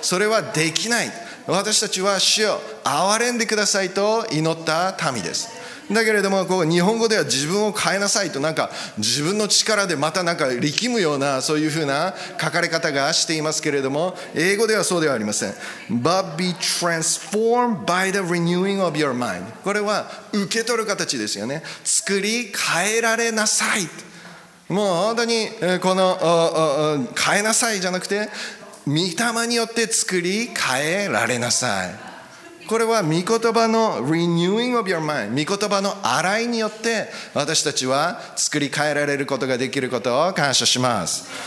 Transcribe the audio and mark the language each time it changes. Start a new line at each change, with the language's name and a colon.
Japanese: それはできない。私たちは主を憐れんでくださいと祈った民です。だけれども、こう日本語では自分を変えなさいと、なんか自分の力でまたなんか力むような、そういうふうな書かれ方がしていますけれども、英語ではそうではありません。
English: But be transformed by the renewing of your mind、
Japanese: これは受け取る形ですよね。作り変えられなさい、もう本当にこの変えなさいじゃなくて、御霊によって作り変えられなさい。これは御言葉の
English: renewing of your mind、
Japanese: 御言葉の洗いによって私たちは作り変えられることができることを感謝します。